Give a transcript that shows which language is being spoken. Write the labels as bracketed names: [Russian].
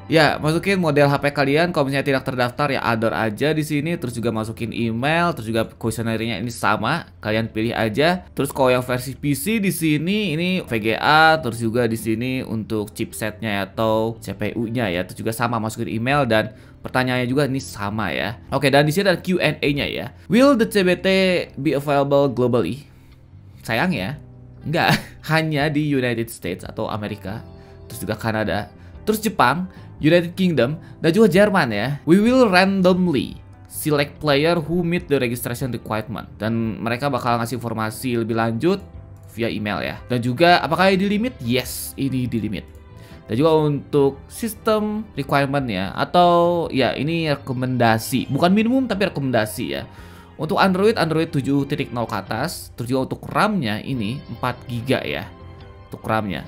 [Indonesian] Ya, masukin model HP kalian, kalau misalnya tidak terdaftar ya other aja di sini, terus juga masukin email, terus juga kuesionernya ini sama, kalian pilih aja. Terus kalau yang versi PC di sini ini VGA, terus juga di sini untuk chipsetnya atau CPU-nya ya, terus juga sama masukin email dan pertanyaannya juga ini sama ya. Oke, dan di sini ada Q&A-nya ya. [English] Will the CBT be available globally? [Indonesian] Sayang ya. Enggak, hanya di United States atau Amerika, terus juga Kanada, terus Jepang, United Kingdom, dan juga Jerman ya. [English] We will randomly select player who meet the registration requirement. [Indonesian] Dan mereka bakal ngasih informasi lebih lanjut via email ya. Dan juga apakah ini di limit? Yes, ini di limit. Dan juga untuk sistem requirement ya, atau ya ini rekomendasi, bukan minimum tapi rekomendasi ya. Untuk Android, Android 7.0 ke atas, terus juga untuk RAM-nya ini 4GB ya. Untuk RAM-nya.